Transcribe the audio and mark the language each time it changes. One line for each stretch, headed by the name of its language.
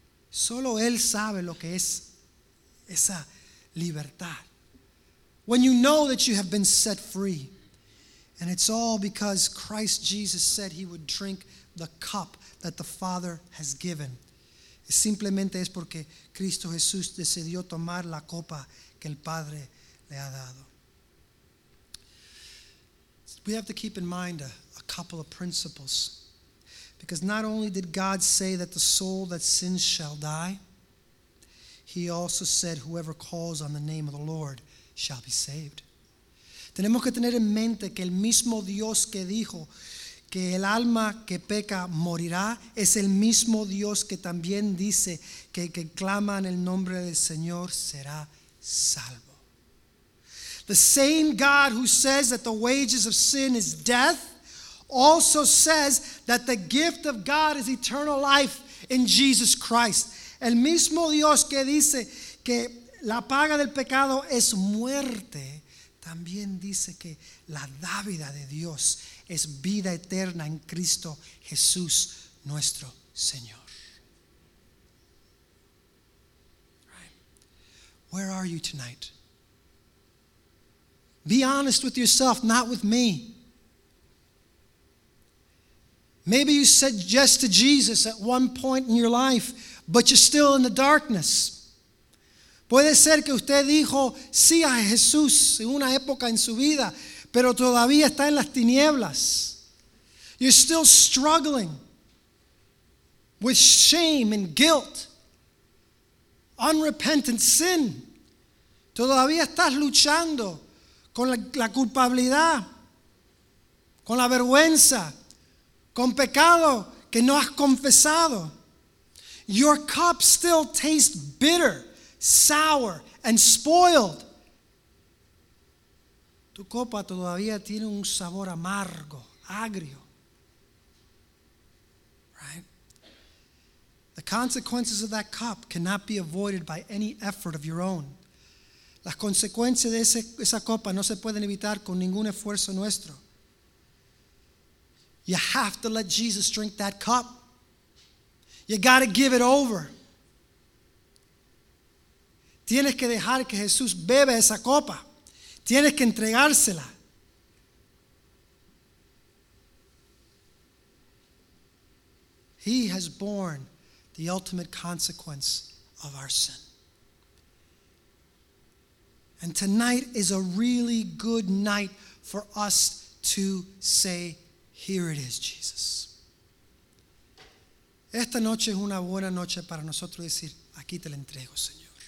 Spanish: Solo él sabe lo que es esa libertad.
English: When you know that you have been set free, and it's all because Christ Jesus said he would drink the cup that the Father has given.
Spanish: Simplemente es porque Cristo Jesús decidió tomar la copa que el Padre le ha dado.
English: We have to keep in mind a couple of principles. Because not only did God say that the soul that sins shall die, he also said whoever calls on the name of the Lord shall be saved.
Spanish: Tenemos que tener en mente que el mismo Dios que dijo que el alma que peca morirá, es el mismo Dios que también dice que el que clama en el nombre del Señor será salvo.
English: The same God who says that the wages of sin is death also says that the gift of God is eternal life in Jesus Christ.
Spanish: El mismo Dios que dice que la paga del pecado es muerte, también dice que la dádiva de Dios es vida eterna en Cristo Jesús, nuestro Señor.
English: Right. Where are you tonight? Be honest with yourself, not with me. Maybe you said yes to Jesus at one point in your life, but you're still in the darkness.
Spanish: Puede ser que usted dijo sí a Jesús en una época en su vida, pero todavía está en las tinieblas.
English: You're still struggling with shame and guilt, unrepentant sin.
Spanish: Todavía estás luchando con la culpabilidad, con la vergüenza, con pecado que no has confesado.
English: Your cup still tastes bitter, sour, and spoiled.
Spanish: Tu copa todavía tiene un sabor amargo, agrio.
English: Right? The consequences of that cup cannot be avoided by any effort of your own.
Spanish: Las consecuencias de esa copa no se pueden evitar con ningún esfuerzo nuestro.
English: You have to let Jesus drink that cup. You got to give it over.
Spanish: Tienes que dejar que Jesús beba esa copa. Tienes que entregársela.
English: He has borne the ultimate consequence of our sin. And tonight is a really good night for us to say, here it is, Jesus.
Spanish: Esta noche es una buena noche para nosotros decir, aquí te la entrego, Señor.